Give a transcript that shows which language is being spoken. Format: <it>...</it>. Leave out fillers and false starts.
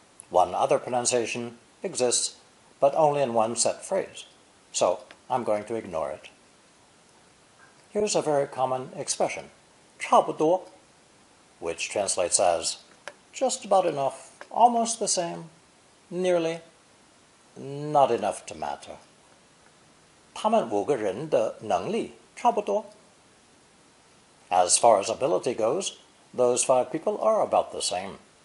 <en>One other pronunciation exists, but only in one set phrase, so I'm going to ignore it. Here's a very common expression, 差不多, which translates as just about enough, almost the same, nearly, not enough to matter.</en> <zh>他们五个人的能力差不多.</zh> <en>As far as ability goes, those five people are about the same.</en>